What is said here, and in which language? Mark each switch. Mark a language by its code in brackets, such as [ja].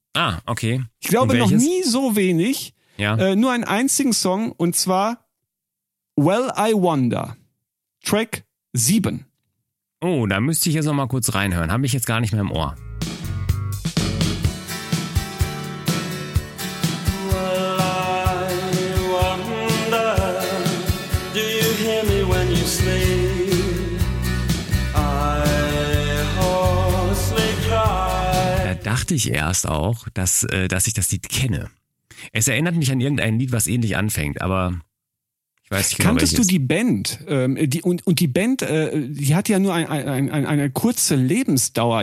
[de] Ah, okay. Ich glaube noch nie so wenig. Ja. Nur einen einzigen Song und zwar Well, I Wonder, Track 7. Oh, da müsste ich jetzt noch mal kurz reinhören. Habe ich jetzt gar nicht mehr im Ohr. [en] Well, I wonder, do you hear me when you sleep? I hoarsely cry. [de] Da dachte ich erst auch, dass ich das Lied kenne. Es erinnert mich an irgendein Lied, was ähnlich anfängt, aber ich weiß nicht genau, kanntest welches. Du die Band? Und die Band, die hat ja nur eine kurze Lebensdauer.